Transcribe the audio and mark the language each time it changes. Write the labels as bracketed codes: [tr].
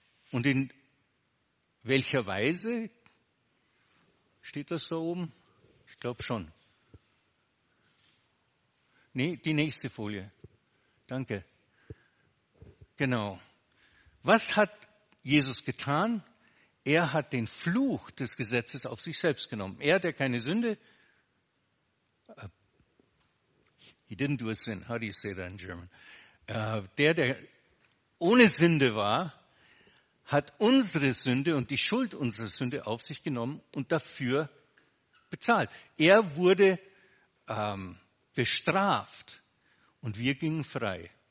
[de] Und in welcher Weise steht das da oben? Ich glaube schon. Nee, die nächste Folie. Danke. Genau. Was hat Jesus getan? Er hat den Fluch des Gesetzes auf sich selbst genommen. Er, der keine Sünde, [en] he didn't do a sin, how do you say that in German? [de] Der ohne Sünde war, hat unsere Sünde und die Schuld unserer Sünde auf sich genommen und dafür bezahlt. Er wurde bestraft und wir gingen frei.